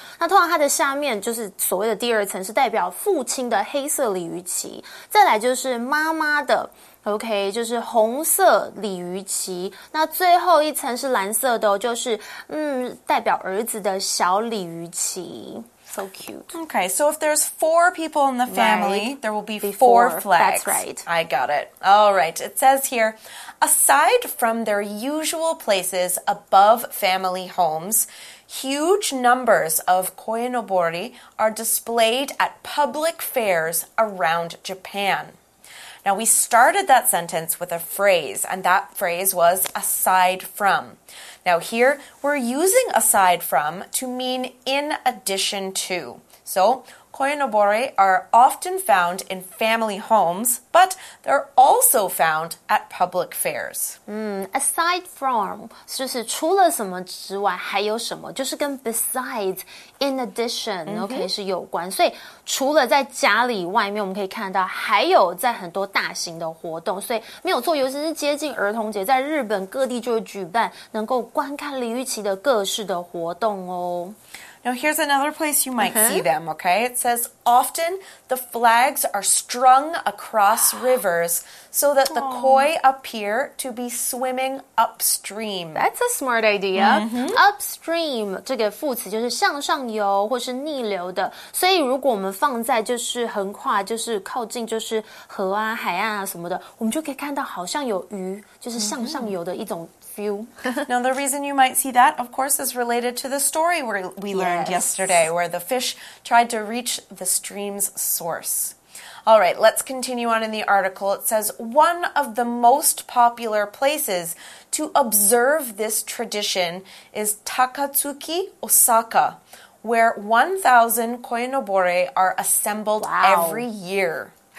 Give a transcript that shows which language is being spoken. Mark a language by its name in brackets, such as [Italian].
[Chinese] 那通常它的下面就是所谓的第二层是代表父亲的黑色鲤鱼旗，再来就是妈妈的。 OK， 就是红色鲤鱼旗，那最后一层是蓝色的，就是代表儿子的小鲤鱼旗。 [English] So cute. Okay, so if there's four people in the family, right, there will be four flags. That's right. I got it. All right, it says here, aside from their usual places above family homes, huge numbers of koinobori are displayed at public fairs around Japan. Now, we started that sentence with a phrase, and that phrase was aside from. Now, here, we're using aside from to mean in addition to. So, koinobori are often found in family homes, but they're also found at public fairs. [Chinese] Aside from, 就是除了什么之外还有什么，就是跟 besides, in addition, okay, 是有关。所以除了在家里外面我们可以看到还有在很多大型的活动。所以没有错，尤其是接近儿童节，在日本各地就会举办能够观看李玉琦的各式的活动哦。 [English] Now, here's another place you might see them, okay? It says, often the flags are strung across rivers so that the koi appear to be swimming upstream. That's a smart idea. [Chinese] Upstream, 这个副词就是向上游或是逆流的。所以如果我们放在就是横跨就是靠近就是河啊海岸啊什么的我们就可以看到好像有鱼就是向上游的一种 [English] Now, the reason you might see that, of course, is related to the story we learned yesterday, where the fish tried to reach the stream's source. All right, let's continue on in the article. It says, one of the most popular places to observe this tradition is Takatsuki, Osaka, where 1,000 koinobore are assembled every year.